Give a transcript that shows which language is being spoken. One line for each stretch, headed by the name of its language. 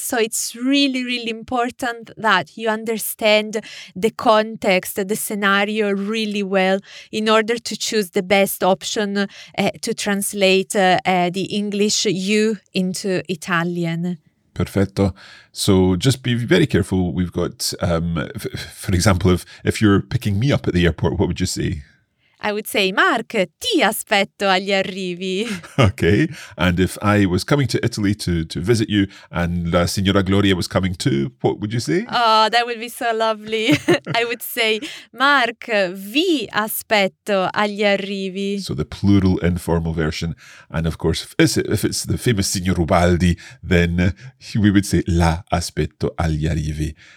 English: So it's really, really important that you understand the context, the scenario really well in order to choose the best option to translate the English you into Italian.
Italian: Perfetto.
English: So just be very careful. We've got, for example, if you're picking me up at the airport, what would you say? I would say, Mark,
Italian: ti aspetto agli arrivi.
English: Okay. And if I was coming to Italy to visit you and la Signora Gloria was coming too, what would you say? Oh, that would be so lovely. I would say, Mark,
Italian: vi aspetto agli arrivi.
English: So the plural informal version. And of course, if it's the famous Signor Ubaldi, then we would say
Italian: la aspetto agli arrivi.